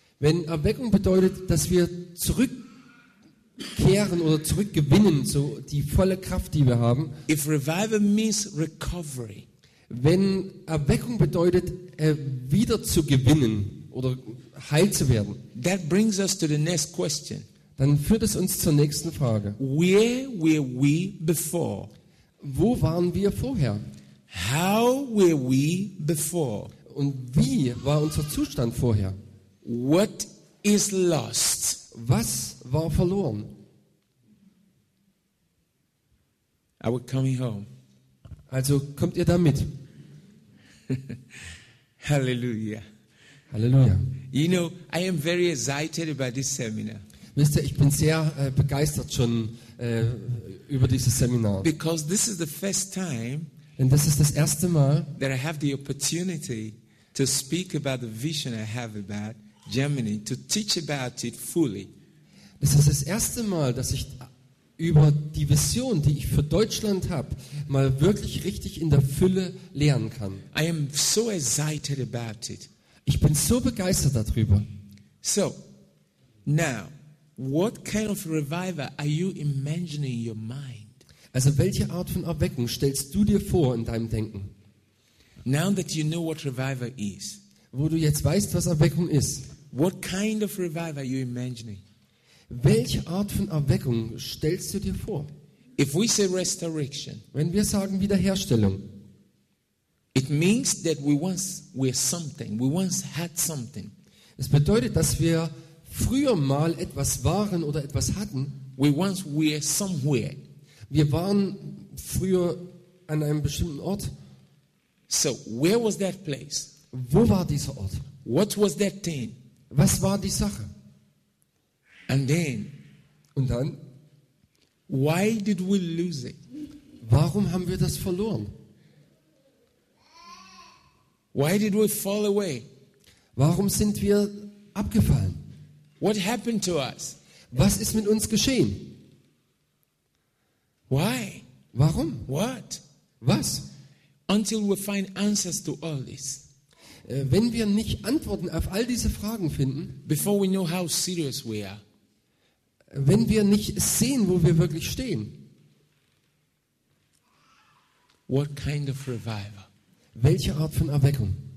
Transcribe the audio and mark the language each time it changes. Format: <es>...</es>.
<de>wenn Erweckung bedeutet, dass wir zurückkehren oder zurückgewinnen, so die volle Kraft, die wir haben,</de> <en>if revival means recovery,</en> <de>wenn Erweckung bedeutet, wieder zu gewinnen oder heil zu werden,</de> <en>that brings us to the next question.</en> <de>Dann führt es uns zur nächsten Frage.</de> <en>Where were we before?</en> <de>Wo waren wir vorher?</de> <en>How were we before?</en> <de>Und wie war unser Zustand vorher?</de> <en>What is lost?</en> <de>Was war verloren?</de> <en>I was coming home.</en> <de>Also kommt ihr da mit? Hallelujah. Hallelujah.</de> <en>You know, I am very excited about this seminar.</en> <de>Wisst ihr, ich bin sehr begeistert schon über dieses Seminar.</de> <en>Because this is the first time,</en> <de>denn das ist das erste Mal,</de> <en>that I have the opportunity to speak about the vision I have about Germany, to teach about it fully.</en> <de>Das ist das erste Mal, dass ich über die Vision, die ich für Deutschland habe, mal wirklich richtig in der Fülle lehren kann.</de> <en>I am so excited about it.</en> <de>Ich bin so begeistert darüber.</de> <en>So, now, what kind of revival are you imagining in your mind?</en> <de>Also welche Art von Erweckung stellst du dir vor in deinem Denken?</de> <en>Now that you know what revival is,</en> <de>wo du jetzt weißt, was Erweckung ist,</de> <en>what kind of revival are you imagining?</en> <de>Welche Art von Erweckung stellst du dir vor?</de> <en>If we say restoration,</en> <de>wenn wir sagen Wiederherstellung,</de> <en>it means that we once were something, we once had something.</en> <de>Es bedeutet, dass wir früher mal etwas waren oder etwas hatten.</de> <en>We once were somewhere.</en> <de>Wir waren früher an einem bestimmten Ort.</de> <en>So, where was that place?</en> <de>Wo war dieser Ort?</de> <en>What was that thing?</en> <de>Was war die Sache?</de> <en>And then,</en> <de>und dann?</de> <en>Why did we lose it?</en> <de>Warum haben wir das verloren?</de> <en>Why did we fall away?</en> <de>Warum sind wir abgefallen?</de> <en>What happened to us?</en> <de>Was ist mit uns geschehen?</de> <en>Why?</en> <de>Warum?</de> <en>What?</en> <de>Was?</de> <en>Until we find answers to all this.</en> <de>Wenn wir nicht Antworten auf all diese Fragen finden,</de> <en>before we know how serious we are.</en> <de>Wenn wir nicht sehen, wo wir wirklich stehen.</de> <en>What kind of revival?</en> <de>Welche Art von Erweckung?</de>